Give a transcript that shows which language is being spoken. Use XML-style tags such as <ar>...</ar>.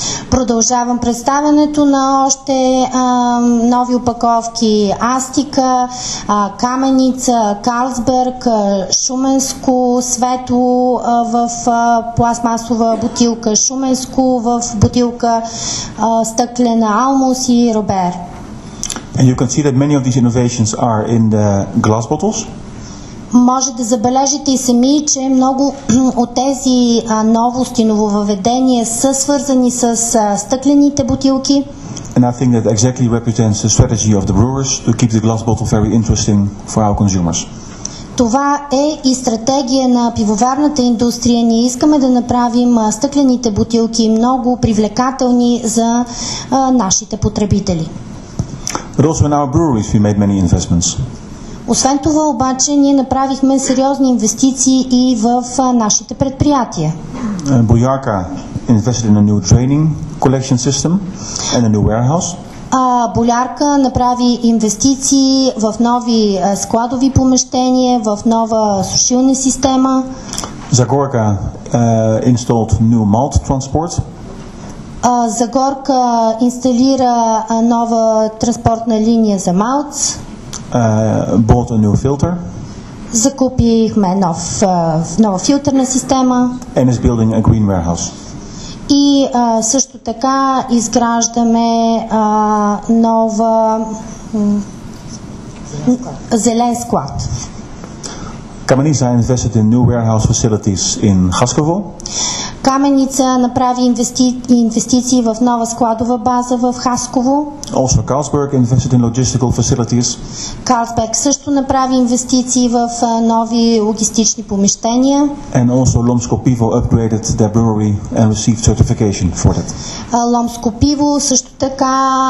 <bg>Продължавам представянето на още нови опаковки Астика, Каменица, Карлсберг, Шуменско, Свето в пластмасова бутилка, Шуменско в бутилка стъклена, Алмус и Робер.</bg> <en>And you can see that many of these innovations are in the glass bottles.</en> <bg>Може да забележите и сами, че много от тези новости, нововъведения са свързани с стъклените бутилки.</bg> <en>And I think that exactly represents the strategy of the brewers to keep the glass bottle very interesting for our consumers.</en> <bg>Това е и стратегия на пивоварната индустрия. Ние искаме да направим стъклените бутилки много привлекателни за нашите потребители.</bg> <en>But also in our breweries we made many investments.</en> <bg>Освен това обаче, ние направихме сериозни инвестиции и в нашите предприятия.</bg> <en>Boyarka invested in a new training collection system and a new warehouse.</en> <bg>Boyarka направи инвестиции в нови складови помещения, в нова сушилна система.</bg> <en>Zagorka installed new malt transport.</en> <bg>Zagorka инсталира нова транспортна линия за малт.</bg> <en>Bought a new filter.</en> <bg>Закупихме нова филтърна система.</bg> <en>And is building a green warehouse.</en> <bg>И също така изграждаме нова зелен склад.</bg> <en>Kamenica invested in new warehouse facilities in Haskovo.</en> <bg>Kamenica направи инвестиции в нова складова база в Хасково.</bg> <en>Also Carlsberg invested in logistical facilities.</en> <bg>Carlsberg също направи инвестиции в нови логистични помещения.</bg> <en>And also Lomsko Pivo upgraded their brewery and received certification for that.</en> <bg>Lomsko Pivo също така</bg>